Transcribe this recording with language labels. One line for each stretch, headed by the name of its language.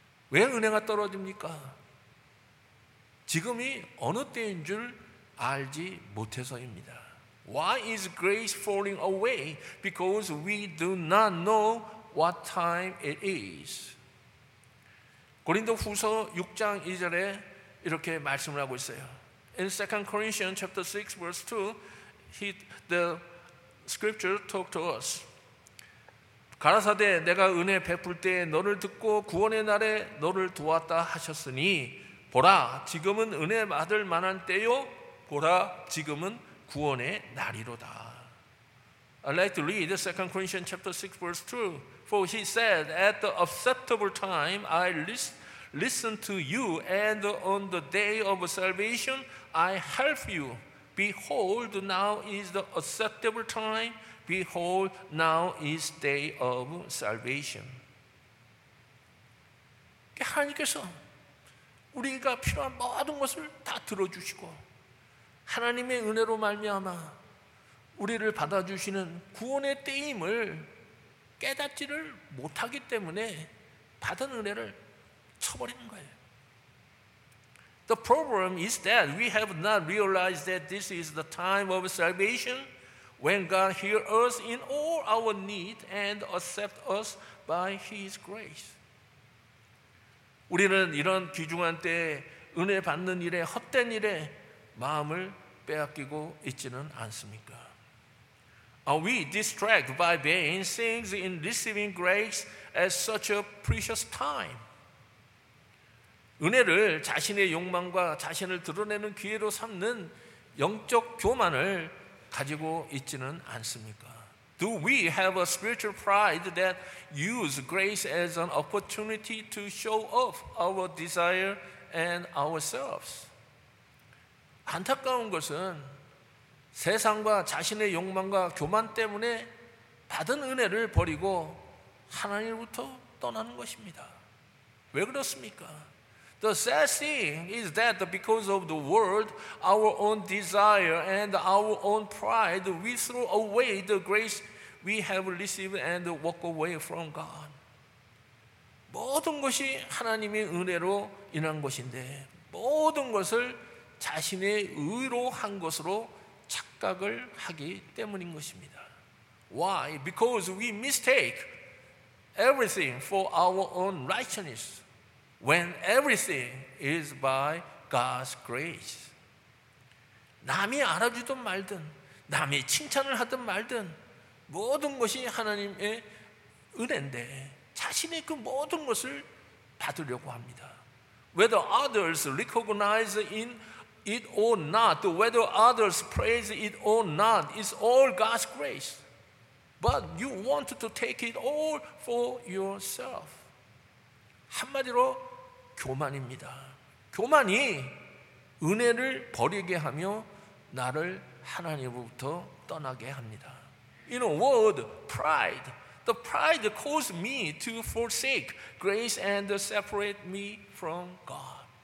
Korean: 왜 은혜가 떨어집니까? 지금이 어느 때인 줄 알지 못해서입니다.
English: Why is grace falling away? Because we do not know what time it is.
Korean: 고린도 후서 6장 2절에 이렇게 말씀을 하고 있어요.
English: In 2 Corinthians chapter 6 verse 2, the scripture talked to us.
Korean: 가라사대 내가 은혜 베풀 때 너를 듣고 구원의 날에 너를 두었다 하셨으니 보라 지금은 은혜 받을 만한 때요 보라 지금은 구원의 날이로다.
English: I'd like to read 2 Corinthians chapter 6 verse 2. For he said, at the acceptable time, I listened to you, and on the day of salvation, I help you. Behold, now is the acceptable time. Behold, now is the day of salvation.
Korean: 하나님께서 우리가 필요한 모든 것을 다 들어주시고 하나님의 은혜로 말미암아 우리를 받아주시는 구원의 때임을 깨닫지를 못하기 때문에 받은 은혜를 쳐버리는 거예요.
English: The problem is that we have not realized that this is the time of salvation when God hears us in all our need and accepts us by His grace.
Korean: 우리는 이런 귀중한 때에 은혜 받는 일에 헛된 일에 마음을 빼앗기고 있지는 않습니까?
English: Are we distracted by vain things in receiving grace at such a precious time?
Korean: 은혜를 자신의 욕망과 자신을 드러내는 기회로 삼는 영적 교만을 가지고 있지는 않습니까?
English: Do we have a spiritual pride that uses grace as an opportunity to show off our desire and ourselves?
Korean: 안타까운 것은 세상과 자신의 욕망과 교만 때문에 받은 은혜를 버리고 하나님으로부터 떠나는 것입니다. 왜 그렇습니까?
English: The sad thing is that because of the world, our own desire and our own pride, we throw away the grace we have received and walk away from God.
Korean: 모든 것이 하나님의 은혜로 인한 것인데 모든 것을 자신의 의로 한 것으로 착각을 하기 때문인 것입니다.
English: Why? Because we mistake everything for our own righteousness when everything is by God's grace.
Korean: 남이 알아주든 말든 남이 칭찬을 하든 말든 모든 것이 하나님의 은혜인데 자신의 그 모든 것을 받으려고 합니다.
English: Whether others recognize in it or not, whether others praise it or not, it's all God's grace. But you want to take it all for yourself.
Korean: 한마디로 교만입니다. 교만이 은혜를 버리게 하며 나를 하나님으로부터 떠나게 합니다.
English: In a word, pride. The pride caused me to forsake grace and separate me from God.